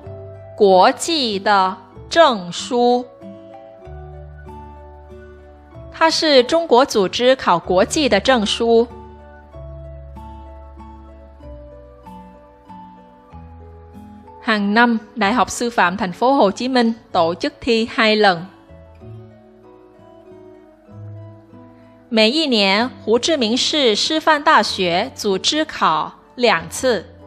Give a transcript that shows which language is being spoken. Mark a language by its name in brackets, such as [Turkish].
[Chinese] 它是中国组织考国际的 证书它是中国组织考国际的证书 [Vietnamese] Hàng năm, Đại học Sư phạm Thành phố Hồ Chí Minh tổ chức thi hai lần. [Chinese] 每一年,胡志明市师范大学组织考两次。